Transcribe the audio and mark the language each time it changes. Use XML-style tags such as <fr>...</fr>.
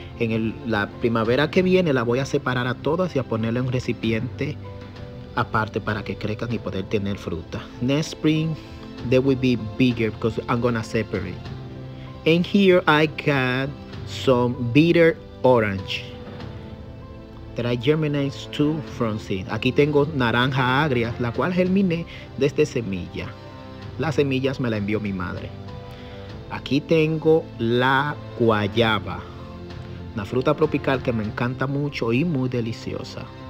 <es>En la primavera que viene la voy a separar a todas y a ponerla en un recipiente aparte para que crezcan y poder tener fruta.</es> <en>Next spring, they will be bigger because I'm gonna separate. And here I got some bitter orange that I germinate too from seed.</en> <es>Aquí tengo naranja agria, la cual germiné desde semilla. Las semillas me la envió mi madre. Aquí tengo la guayaba, una fruta tropical que me encanta mucho y muy deliciosa.</es>